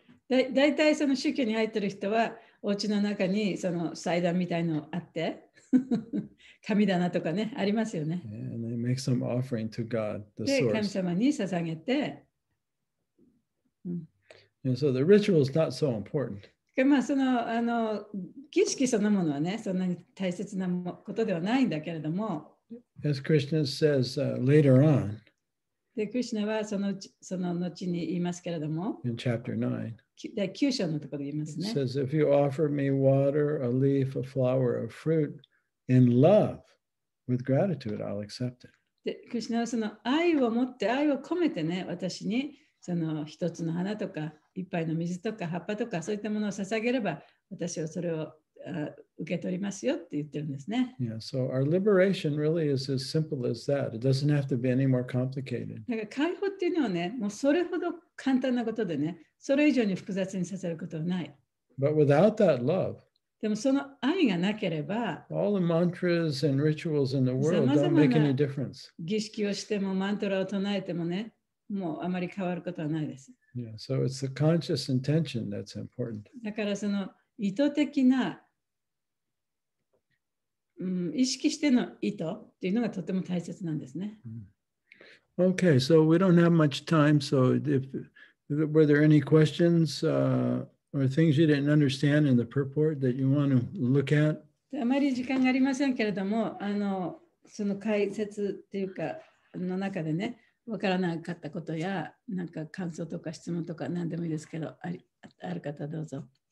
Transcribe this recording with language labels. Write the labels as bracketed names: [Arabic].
[Japanese] だいたいその宗教に入ってる人は、お家の中にその祭壇みたいのあって。神棚とかね、ありますよね。 [English] Yeah, and they make some offering to God, the source. [Japanese] で、神様に捧げて。 [English] And so the ritual is not so important. [Japanese] で、まあ、あの儀式そのものはね、そんなに大切なことではないんだけれども。 [English] As Krishna says, later on. [Japanese] で、クリシュナはその後に言いますけれども。 [English] In chapter 9. [Japanese] 第9章のところで言いますね。 [English] It says, if you offer me water, a leaf, a flower, a fruit, in love, with gratitude, I'll accept it. [Japanese] で、クリシュナはその愛を持って、愛を込めてね、私にその一つの花とか、一杯の水とか、葉っぱとか、そういったものを捧げれば、私はそれを受け取りますよって言ってるんですね。 [English] Yeah, so our liberation really is as simple as that. It doesn't have to be any more complicated. [Japanese] だから解放っていうのはね、もうそれほど簡単なことでね、それ以上に複雑にさせることはない。 [English] But without that love, [Japanese] でもその愛がなければ、 [English] all the mantras and rituals in the world don't make any difference. [Japanese] 儀式をしてもマントラを唱えてもね、もうあまり変わることはないです。 [English] Yeah, so it's the conscious intention that's important. [Japanese] だからその意図的な、意識しての意図というのがとても大切なんですね。 [English] Okay, so we don't have much time. So, were there any questions, or things you didn't understand in the purport that you want to look at? [Japanese] あまり時間がありませんけれども、その解説というかの中でね、わからなかったことや、なんか感想とか質問とか何でもいいですけど、ある方どうぞ。